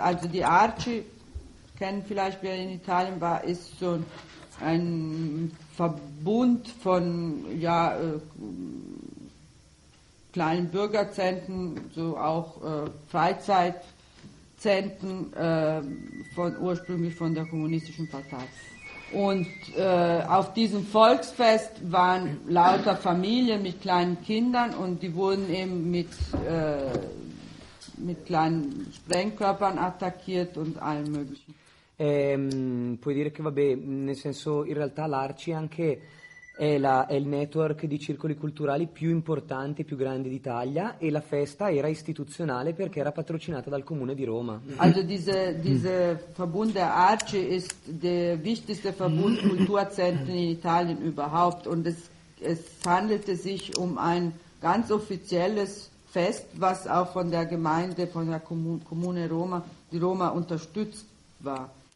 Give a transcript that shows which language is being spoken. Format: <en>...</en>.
<de>Also die Arci, kennen vielleicht wer in Italien war, ist so ein Verbund von ja, kleinen Bürgerzentren, so auch Freizeitzentren von ursprünglich von der Kommunistischen Partei. Und auf diesem Volksfest waren lauter Familien mit kleinen Kindern und die wurden eben mit kleinen Sprengkörpern attackiert und allem möglichen.</de> <it>Puoi dire che vabbè, nel senso, in realtà l'Arci anche è il network di circoli culturali più importante, più grande d'Italia, e la festa era istituzionale perché era patrocinata dal Comune di Roma.</it> <de>Also diese Verbund der Arci ist der wichtigste Verbund Kulturzentren in Italien überhaupt und es handelte sich um ein ganz offizielles Fest, was auch von der Gemeinde, von der Comune Roma, di Roma unterstützt war.</de>